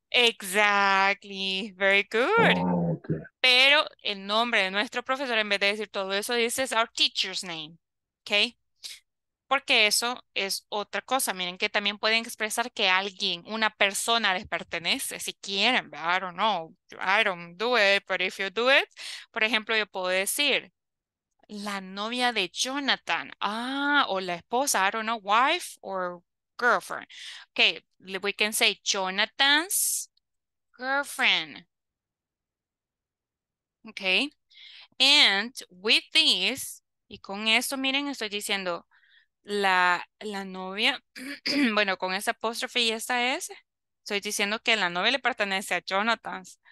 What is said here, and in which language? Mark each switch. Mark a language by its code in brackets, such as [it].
[en] Exactly. Very good. Oh, okay. [es] Pero el nombre de nuestro profesor, en vez de decir todo eso, dices [en] our teacher's name. [es] Okay. Porque eso es otra cosa. Miren que también pueden expresar que alguien, una persona les pertenece. Si quieren, [en] I don't know. I don't do it, but if you do it. [es] Por ejemplo, yo puedo decir la novia de Jonathan. Ah, o la esposa. [en] I don't know, wife or girlfriend. Okay, we can say Jonathan's girlfriend. Okay. And with this, [es] y con esto, miren, estoy diciendo la novia, bueno, con esa apóstrofe y esta S, estoy diciendo que la novia le pertenece a Jonathan.